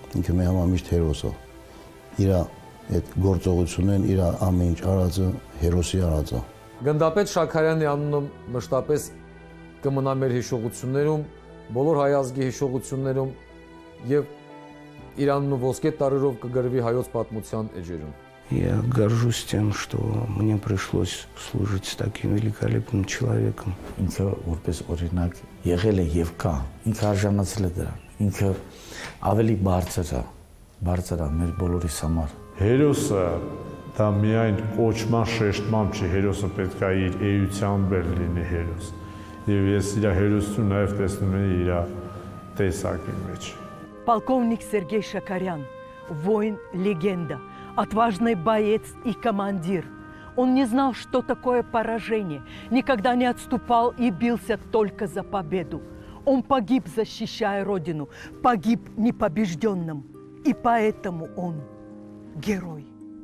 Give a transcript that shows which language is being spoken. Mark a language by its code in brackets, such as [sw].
[hy] Ինքը մի համամիտ հերոս է, իր այդ գործողությունեն, իր ամեն ինչ արածը հերոսի արածը։ Գնդապետ Շաքարյանի անունը մշտապես կմնա մեր հիշողություններում, բոլոր հայ ազգի հիշողություններում եւ իր անունը ոսկե տառերով կգրվի հայոց պատմության էջերում։ [ru] Я горжусь тем, что мне пришлось служить с таким великолепным человеком. [hy] Ինքը որպես օրինակ եղել է եւ կա, ինքը արժանացել է դրան, ինքը ավելի բարձր է մեր բոլորի համար։ Հերոսը դա միայն կոչման շեշտմամբ չի, հերոսը պետք է իր էությամբ լինի հերոս։ Եվ ես իր հերոսությունը նաև տեսնում եմ իր տեսակի մեջ։ [ru] Պոլկովնիկ Սերգեյ Շաքարյան, воин легенда, отважный боец и командир. Он не знал, что такое поражение, никогда не отступал и бился только за победу. Он погиб, защищая родину, погиб непобежденным. И поэтому он герой.